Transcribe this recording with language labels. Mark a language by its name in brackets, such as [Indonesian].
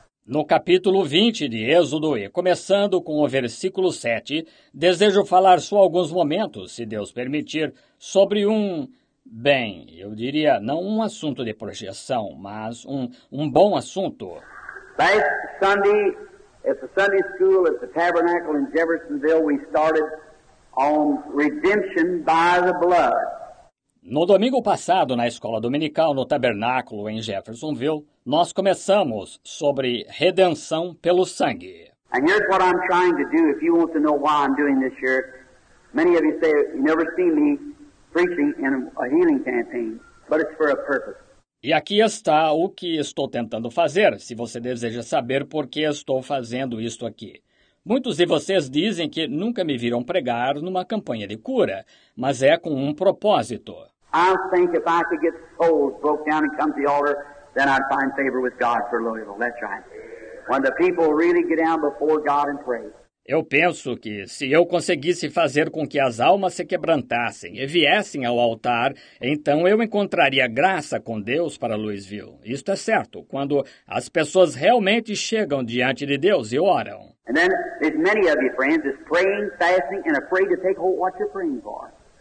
[Portuguese] No capítulo 20 de Êxodo, e começando com o versículo 7, desejo falar só alguns momentos, se Deus permitir, sobre um... Bem, eu diria, não um assunto de projeção, mas um bom assunto. [English] Last Sunday, at the Sunday School at the Tabernacle in Jeffersonville, we started on redemption by the blood. [Portuguese] No domingo passado, na escola dominical, no Tabernáculo em Jeffersonville, nós começamos sobre redenção pelo sangue. [English] And here's what I'm trying to do, if you want to know why I'm doing this here. Many of you say, you never seen me preaching in a healing campaign, but it's for a purpose. [Portuguese] E aqui está o que estou tentando fazer, se você deseja saber por que estou fazendo isto aqui. Muitos de vocês dizem que nunca me viram pregar numa campanha de cura, mas é com um propósito. [English] I think if I could get souls broke down and come to the altar, then I'd find favor with God for Louisville. That's right. When the people really get down before God and pray. [Portuguese] Eu penso que se eu conseguisse fazer com que as almas se quebrantassem e viessem ao altar, então eu encontraria graça com Deus para Louisville. Isto é certo, quando as pessoas realmente chegam diante de Deus e oram. [English] And then there's many of you, friends, is praying, fasting, and afraid to take hold what you're praying for.